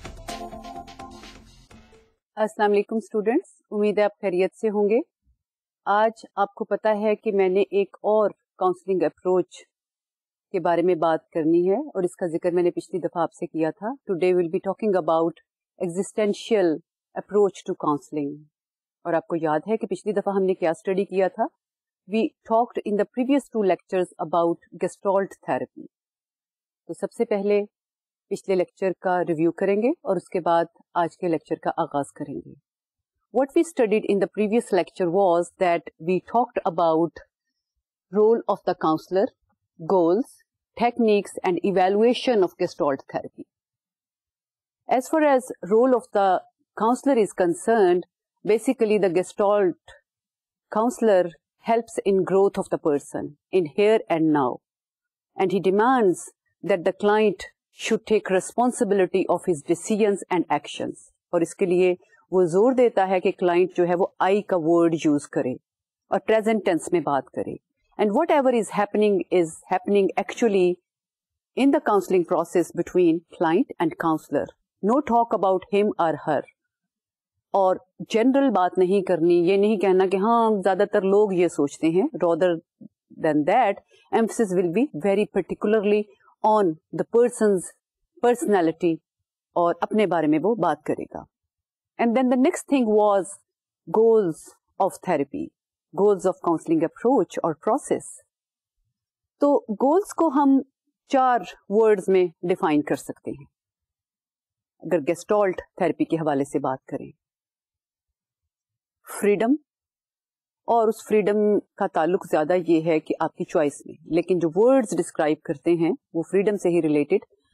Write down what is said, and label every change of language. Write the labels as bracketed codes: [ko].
[ur] السلام علیکم اسٹوڈینٹس, امید ہے آپ خیریت سے ہوں گے. آج آپ کو پتا ہے کہ میں نے ایک اور کاؤنسلنگ اپروچ کے بارے میں بات کرنی ہے, اور اس کا ذکر میں نے پچھلی دفعہ آپ سے کیا تھا. [en] Today will be talking about existential approach to counselling. [ur] اور آپ کو یاد ہے کہ پچھلی دفعہ ہم نے کیا اسٹڈی کیا تھا, [en] We talked in the previous two lectures about gestalt therapy. [ur] تو سب سے پہلے پچھلے لیکچر کا ریویو کریں گے اور اس کے بعد آج کے لیکچر کا آغاز کریں گے. [en] What we studied in the previous lecture was that we talked about role of the counselor, goals, techniques and evaluation of gestalt therapy. As far as role of the counselor is concerned, basically the gestalt counselor helps in growth of the person in here and now, and he demands that the client should take responsibility of his decisions and actions. [ur] اور اس کے لیے وہ زور دیتا ہے کہ client جو ہے وہ I کا word use کرے اور present tense میں بات کرے. [en] And whatever is happening actually in the counseling process between client and counselor. No talk about him or her. [ur] اور general بات نہیں کرنی, یہ نہیں کہنا کہ ہاں زیادہ تر لوگ یہ سوچتے ہیں. [en] Rather than that, emphasis will be very particularly on the person's personality, [ur] اور اپنے بارے میں وہ بات کرے گا. [en] And then the next thing was goals of therapy, goals of counseling approach or process. [ur] تو goals کو ہم چار words میں define کر سکتے ہیں اگر gestalt therapy کے حوالے سے بات کریں. Freedom, اور اس فریڈم کا تعلق زیادہ یہ ہے کہ آپ کی چوائس میں, لیکن جو ورڈز ڈسکرائب کرتے ہیں وہ فریڈم سے ہی ریلیٹڈ.